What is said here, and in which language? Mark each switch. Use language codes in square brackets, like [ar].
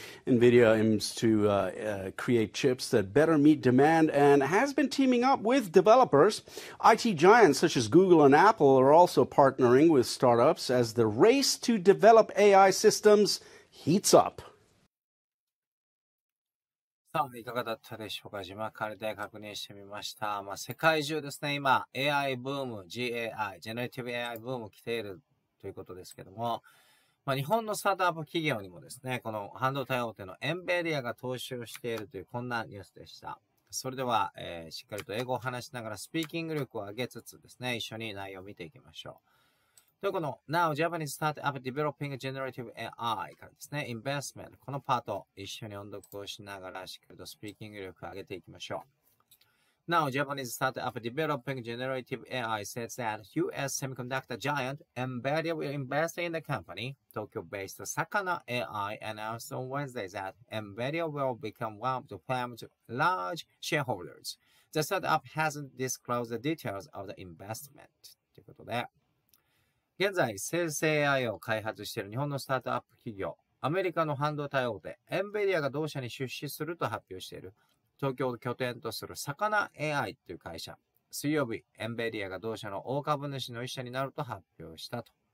[en] NVIDIA aims to create chips that better meet demand and has been teaming up with developers. IT giants such as Google and Apple are also partnering with startups as the race to develop AI systems heats up. [ja] さあ、いかがだったでしょうか。字幕借りて確認してみました。まあ、世界中ですね、今 AI ブーム、GAI、Generative AI ブーム来ているということですけども、まあ、日本のスタートアップ企業にもですね、この半導体大手の NVIDIA が投資をしているというこんなニュースでした。それでは、しっかりと英語を話しながらスピーキング力を上げつつですね、一緒に内容を見ていきましょう。というこの [en] Now Japanese Startup Developing Generative AI [ja] からですね、Investment、このパート一緒に音読をしながらしっかりとスピーキング力を上げていきましょう。 [en] Now, Japanese startup developing generative AI says that U.S. semiconductor giant NVIDIA will invest in the company. Tokyo-based Sakana AI announced on Wednesday that NVIDIA will become one of the firm's large shareholders. The startup hasn't disclosed the details of the investment. [ja] ということで、現在生成 AI を開発している日本のスタートアップ企業、アメリカの半導体大手 NVIDIA が同社に出資すると発表している東京を拠点とするサカナ AI という会社、水曜日、NVIDIA が同社の大株主の一社になると発表したと。